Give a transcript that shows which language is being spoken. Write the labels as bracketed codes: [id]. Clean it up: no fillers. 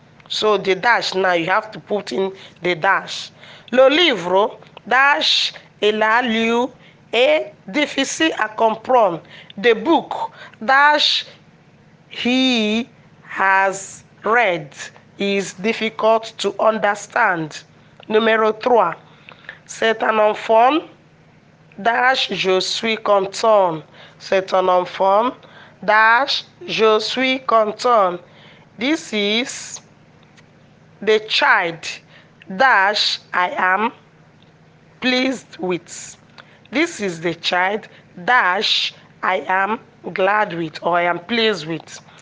[en] So the dash, now you have to put in the dash. [fr] Le livre dash il a lu est difficile à comprendre. [en] The book dash he has read is difficult to understand. [fr] Numéro 3, c'est un enfant dash je suis content. C'est un enfant dash je suis content. [en] This is the child dash I am pleased with. This is the child dash I am glad with, or I am pleased with.